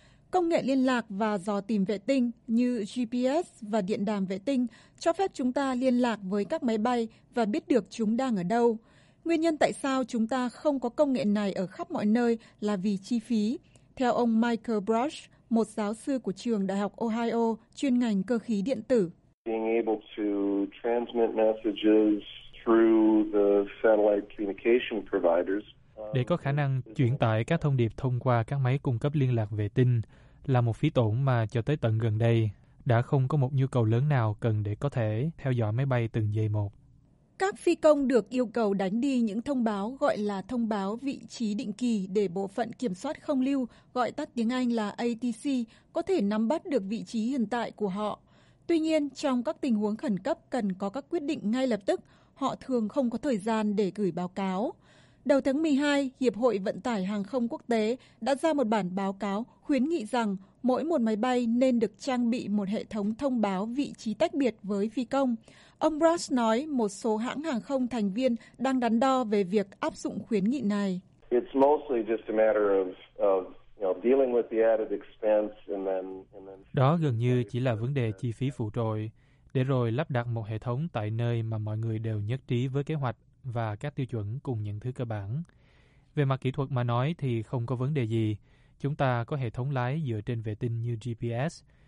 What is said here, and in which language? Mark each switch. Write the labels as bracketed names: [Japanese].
[Vietnamese] Công nghệ liên lạc và dò tìm vệ tinh như GPS và điện đàm vệ tinh cho phép chúng ta liên lạc với các máy bay và biết được chúng đang ở đâu. Nguyên nhân tại sao chúng ta không có công nghệ này ở khắp mọi nơi là vì chi phí. Theo ông Michael Brush, một giáo sư của trường Đại học Ohio chuyên ngành cơ khí điện tử. [English] Being able to transmit messages through the satellite communication providers. [Vietnamese] Để có khả năng chuyển tải các thông điệp thông qua các máy cung cấp liên lạc vệ tinh là một phí tổn mà cho tới tận gần đây, đã không có một nhu cầu lớn nào cần để có thể theo dõi máy bay từng giây một. Các phi công được yêu cầu đánh đi những thông báo gọi là thông báo vị trí định kỳ để bộ phận kiểm soát không lưu, gọi tắt tiếng Anh là ATC, có thể nắm bắt được vị trí hiện tại của họ. Tuy nhiên, trong các tình huống khẩn cấp cần có các quyết định ngay lập tức, họ thường không có thời gian để gửi báo cáo. Đầu tháng 12, Hiệp hội Vận tải Hàng không Quốc tế đã ra một bản báo cáo khuyến nghị rằng mỗi một máy bay nên được trang bị một hệ thống thông báo vị trí tách biệt với phi công. Ông Ross nói một số hãng hàng không thành viên đang đắn đo về việc áp dụng khuyến nghị này. [English] It's mostly just a matter of dealing with the added expense and then... [Vietnamese] Đó gần như chỉ là vấn đề chi phí phụ trội. để rồi lắp đặt một hệ thống tại nơi mà mọi người đều nhất trí với kế hoạch và các tiêu chuẩn cùng những thứ cơ bản. Về mặt kỹ thuật mà nói thì không có vấn đề gì. Chúng ta có hệ thống lái dựa trên vệ tinh như GPS.